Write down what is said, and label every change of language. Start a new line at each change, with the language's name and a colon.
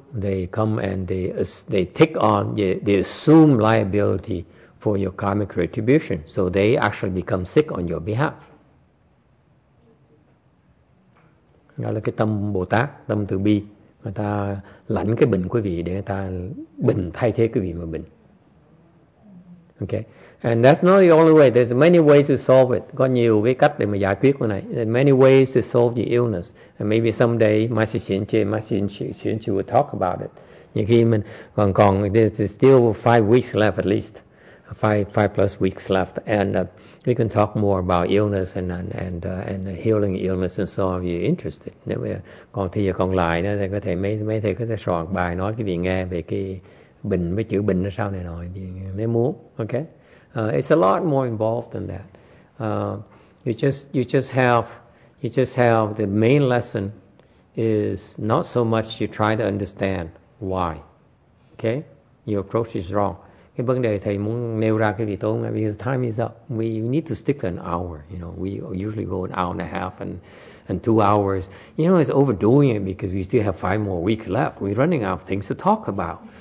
English: They come and they take on, they assume liability for your karmic retribution. So they actually become sick on your behalf.
Vietnamese: Đó là cái tâm Bồ Tát, tâm từ bi. Người ta lãnh cái bệnh quý vị để người ta bệnh thay thế quý vị mà bệnh.
English: Okay, and that's not the only way. There's many ways to solve it.
Vietnamese: Có nhiều cái cách để mà giải quyết cái này.
English: There are many ways to solve the illness. And maybe someday, Master Xianqi will talk about it.
Vietnamese: Nhiều khi mình còn
English: there's still 5 weeks left at least, five plus weeks left, and we can talk more about illness and healing illness and so on. If you're interested,
Vietnamese: nếu mà còn thì giờ còn lại nữa, thì có thể mấy thầy có thể soạn bài nói cái gì nghe về cái bệnh với chữa bệnh nó sao này nọ nếu muốn.
English: Okay, it's a lot more involved than that. You just have the main lesson is not so much you try to understand why. Okay, your approach is wrong.
Vietnamese: Cái vấn đề thầy muốn nêu ra cái gì tôi không nghe,
English: because the time is up. We need to stick an hour, you know. We usually go an hour and a half and 2 hours, you know. It's overdoing it because we still have 5 more weeks left. We're running out of things to talk about.